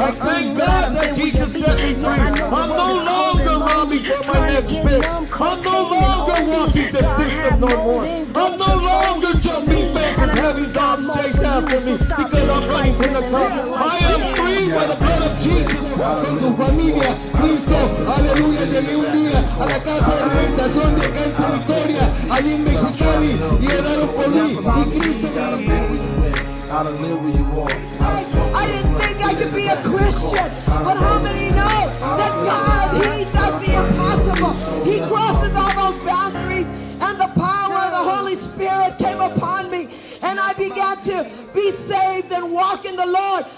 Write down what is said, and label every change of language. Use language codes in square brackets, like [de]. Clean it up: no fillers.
[en] I thank God that Jesus set me free. I'm no longer running for my next fix. I'm no longer walking the system no more. I'm no longer jumping fences and having cops chase after me because I'm running from the cops. I am free by the blood of Jesus. Welcome to [es] familia, Cristo, aleluya, llegué un día a la casa de rehabilitación de Cancha Victoria, allí en Mexicali, y oraron por mí, y Cristo me dio. [en] I don't live where you are. I didn't think I could be a Christian. But how many know that God, He does the impossible? He crosses all those boundaries, and the power of the Holy Spirit came upon me. And I began to be saved and walk in the Lord.